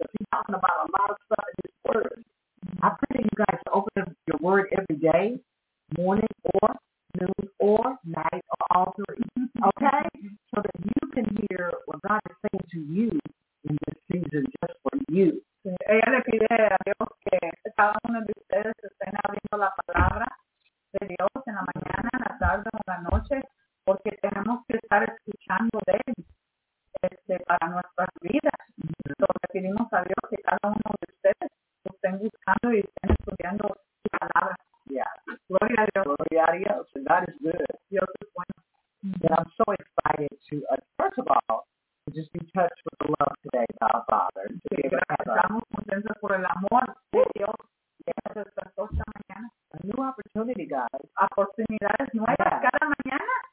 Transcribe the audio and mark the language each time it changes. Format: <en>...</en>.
<en>Because he's talking about a lot of stuff in his word. I pray that you guys open up your word every day, morning or noon or night or all three, okay? So that you can hear what God is saying to you in this season just for you.</en> <es>Ella le pide a Dios que cada uno de ustedes estén abriendo la palabra de Dios en la mañana, en la tarde o en la noche, porque tenemos que estar escuchando de él para nuestras vidas. So le pedimos a Dios que cada uno de ustedes estén buscando y estén estudiando su palabra.</es> <en>Yeah.</en> <es>Gloria a Dios. Gloria a Dios.</es> <en>And God is good.</en> <es>Dios es bueno. Mm-hmm.</es> <en>And I'm so excited to, first of all, to just be touched with the love today, God, Father. To be able to have</en> <es>estamos contentos por el amor de Dios.</es> <en>Yes.</en> <es>Esta mañana.</es> <en>A new opportunity, guys.</en> <es>Oportunidades nuevas cada mañana.</es>